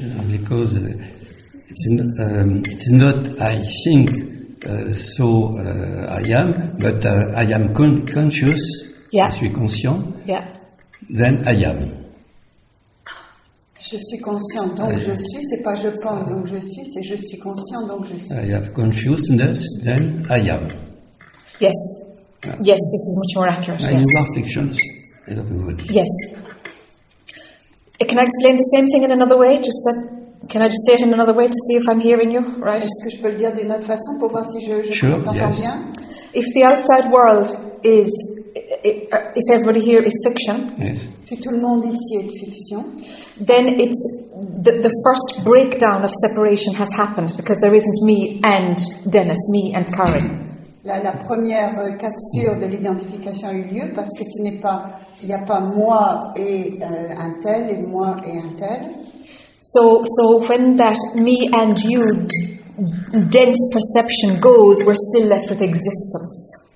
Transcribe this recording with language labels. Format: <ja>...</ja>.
<en>Because it's not, I think, I am, but I am conscious, yeah.</en> <fr>Je suis conscient,</fr> <en>yeah. Then I am.</en> <fr>Je suis conscient, donc je suis, c'est pas je pense, donc je suis, c'est je suis conscient, donc je suis.</fr> <en>I have consciousness, then I am. Yes, yes, this is much more accurate. And yes. You are fictions, everybody. Yes. Can I explain the same thing in another way? Just that, can I just say it in another way to see if I'm hearing you, right?</en> <fr>Est-ce que je peux le dire d'une autre façon pour voir si je</fr> <en>sure,</en> <fr>t'entends</fr> <en>yes.</en> <fr>bien?</fr> <en>If the outside world is, if everybody here is fiction, yes.</en> <fr>Si tout le monde ici est fiction,</fr> <en>then it's the first breakdown of separation has happened because there isn't me and Dennis, me and Karen.</en> <fr>La première cassure de l'identification a eu lieu parce que ce n'est pas, il n'y a pas moi et un tel et moi et un tel.</fr> <en>So when that me and you dense perception goes, we're still left with existence.</en>